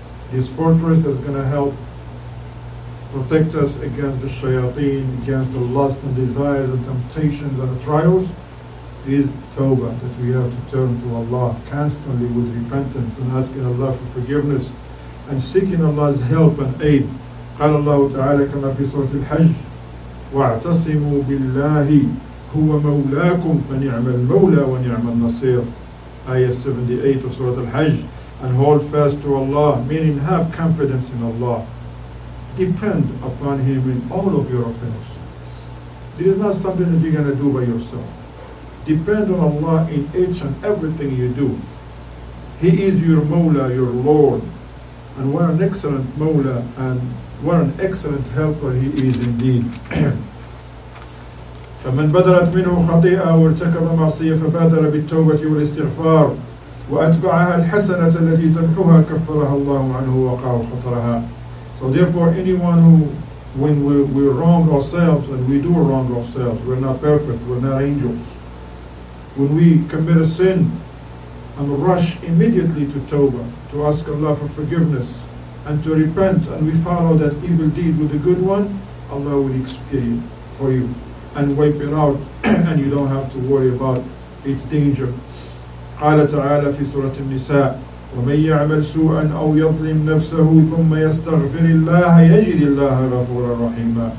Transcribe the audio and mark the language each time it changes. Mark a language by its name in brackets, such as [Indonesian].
[English] His fortress is going to help protect us against the shayateen, against the lust and desires and temptations and the trials. is tawbah, that we have to turn to Allah constantly with repentance and asking Allah for forgiveness and seeking Allah's help and aid. [Arabic] قال الله تعالى كما في سورة الحج واعتصموا بالله هو مولاكم فنعم المولى ونعم النصير. [English] Ayah 78 of Surah Al-Hajj. And hold fast to Allah, meaning have confidence in Allah. Depend upon Him in all of your affairs. This is not something that you're going to do by yourself. Depend on Allah in each and everything you do. He is your Mawla, your Lord. And what an excellent Mawla and what an excellent helper He is indeed. [Arabic] فَمَنْ بَدَرَتْ مِنْهُ خَطِيئَةً وَارْتَكَبَ مَعْصِيَةً فَبَادَرَ بِالتَّوْبَةِ وَالِاسْتِغْفَارِ وَأَتْبَعَهَا الْحَسَنَةَ الَّتِي تَمْحُوهَا كَفَّرَهَا اللَّهُ عَنْهُ وَقَاهُ خَطَرَهَا. [English] So therefore, anyone who, when we wrong ourselves, and we do wrong ourselves, we're not perfect, we're not angels. When we commit a sin, and rush immediately to tawbah, to ask Allah for forgiveness, and to repent, and we follow that evil deed with a good one, Allah will expiate for you and wipe it out, and you don't have to worry about its danger. [Arabic] قال تعالى في سورة النساء ومن يعمل سوءا أو يظلم نفسه ثم يستغفر الله يجد الله غفورا رحيما.